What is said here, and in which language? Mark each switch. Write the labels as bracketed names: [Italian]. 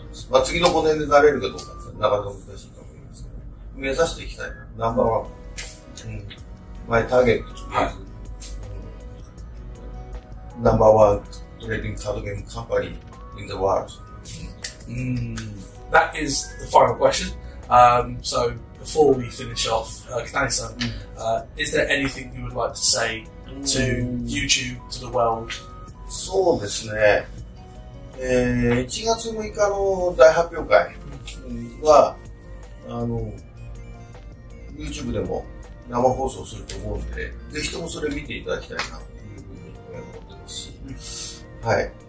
[Japanese] まあ、次の5年でなれるかどうかなかなか難しいと思いますけど、ね、目指していきたいな、ナンバーワン、マイターゲット、はい、ナンバーワントレーディングカードゲームカンパニー [English] in the world、 That is the final question、So before we finish off、Kidani-san、Is there anything you would like to say to YouTube, to the world? [Japanese] そうですね、1月6日の大発表会は、YouTube でも生放送すると思うんで、ぜひともそれ見ていただきたいなというふうに思ってますし、はい。